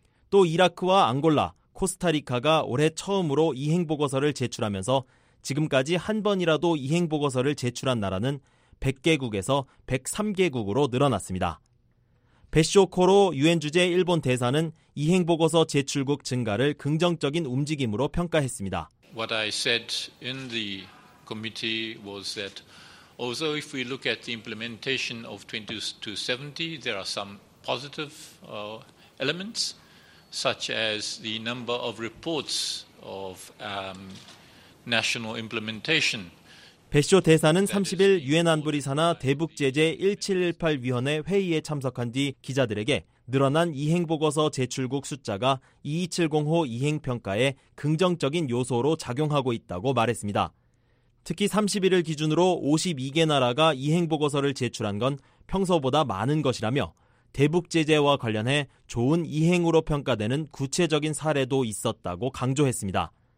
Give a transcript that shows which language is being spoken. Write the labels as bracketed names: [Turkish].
[Korean] 또 이라크와 앙골라, 코스타리카가 올해 처음으로 이행 보고서를 제출하면서 지금까지 한 번이라도 이행 보고서를 제출한 나라는 100개국에서 103개국으로 늘어났습니다. 베쇼코로 유엔 주재 일본 대사는 이행 보고서 제출국 증가를 긍정적인 움직임으로 평가했습니다. [English] What I said in the committee was that although if we look at the implementation of 2270 there are some positive elements such as the number of reports of national implementation. [Korean] 베쇼 대사는 30일 유엔 안보리 산하 대북 제재 1718 위원회 회의에 참석한 뒤 기자들에게 늘어난 이행 보고서 제출국 숫자가 2270호 이행 평가에 긍정적인 요소로 작용하고 있다고 말했습니다. 특히 31일 기준으로 52개 나라가 이행 보고서를 제출한 건 평소보다 많은 것이라며 대북 제재와 관련해 좋은 이행으로 평가되는 구체적인 사례도 있었다고 강조했습니다.